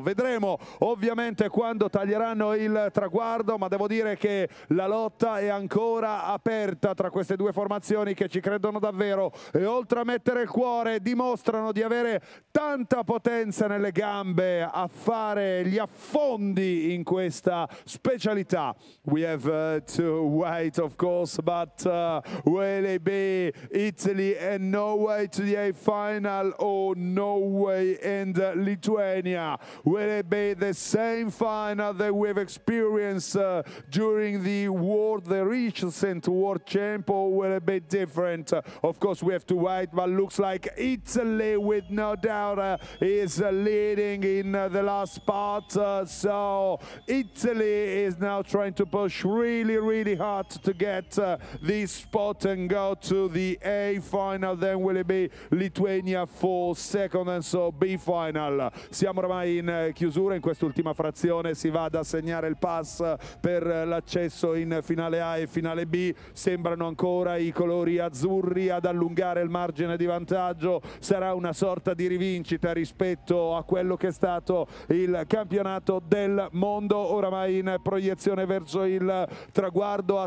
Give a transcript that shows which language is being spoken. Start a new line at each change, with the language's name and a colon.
Italian: Vedremo ovviamente quando taglieranno il traguardo, ma devo dire che la lotta è ancora aperta tra queste due formazioni che ci credono davvero e, oltre a mettere il cuore, dimostrano di avere tanta potenza nelle gambe a fare gli affondi in questa specialità.
English: We have to wait, of course, but will it be Italy and Norway to the final, or Norway and Lithuania? Will it be the same final that we've experienced during the world, the recent world champ, or will it be different? Of course, we have to wait, but looks like Italy, with no doubt, is leading in the last part. So Italy is now trying to push really, really hard to get this spot and go to the A final. Then will it be Lithuania for second and so B final.
Italian: Siamo ormai in chiusura, in quest'ultima frazione si va ad assegnare il pass per l'accesso in finale A e finale B. Sembrano ancora i colori azzurri ad allungare il margine di vantaggio. Sarà una sorta di rivincita rispetto a quello che è stato il campionato del mondo, oramai in proiezione verso il traguardo.